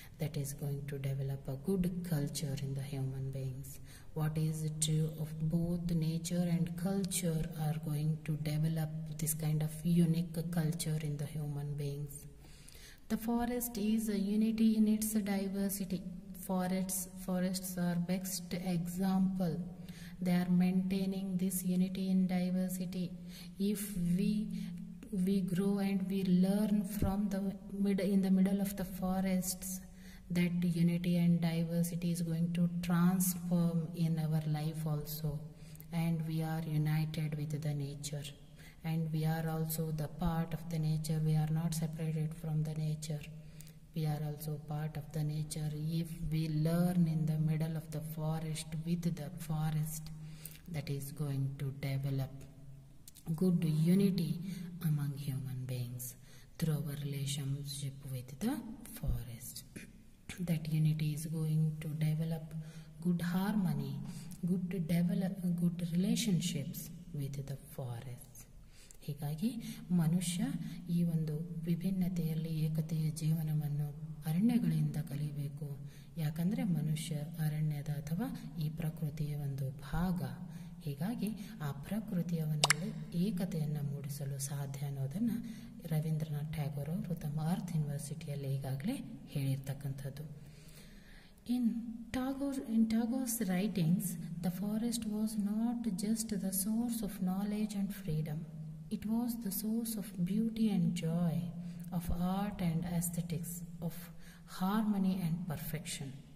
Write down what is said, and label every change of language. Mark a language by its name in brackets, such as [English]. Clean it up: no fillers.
[English] That is going to develop a good culture in the human beings. What is true of both nature and culture are going to develop this kind of unique culture in the human beings. The forest is a unity in its diversity. Forests are best example. They are maintaining this unity in diversity. If we grow and we learn from the middle of the forests, that unity and diversity is going to transform in our life also, and we are united with the nature, and we are also the part of the nature. We are not separated from the nature. We are also part of the nature. If we learn in the middle of the forest with the forest, that is going to develop good unity among human beings through our relationship with the forest. That unity is going to develop good harmony, good relationships with the forest. [Kannada] ಹೀಗಾಗಿ ಮನುಷ್ಯ ಈ ಒಂದು ವಿಭಿನ್ನತೆಯಲ್ಲಿ ಏಕತೆಯ ಜೀವನವನ್ನು ಅರಣ್ಯಗಳಿಂದ ಕಲಿಯಬೇಕು. ಯಾಕಂದರೆ ಮನುಷ್ಯ ಅರಣ್ಯದ ಅಥವಾ ಈ ಪ್ರಕೃತಿಯ ಒಂದು ಭಾಗ. ಹೀಗಾಗಿ ಆ ಪ್ರಕೃತಿಯವನಲ್ಲಿ ಏಕತೆಯನ್ನು ಮೂಡಿಸಲು ಸಾಧ್ಯ ಅನ್ನೋದನ್ನು ರವೀಂದ್ರನಾಥ್ ಟ್ಯಾಗೋರ್ ಅವರು ತಮ್ಮ ಆರ್ಥ್ ಯೂನಿವರ್ಸಿಟಿಯಲ್ಲಿ ಈಗಾಗಲೇ ಹೇಳಿರ್ತಕ್ಕಂಥದ್ದು. [English] In Tagore's writings, the forest was not just the source of knowledge and freedom. It was the source of beauty and joy, of art and aesthetics, of harmony and perfection.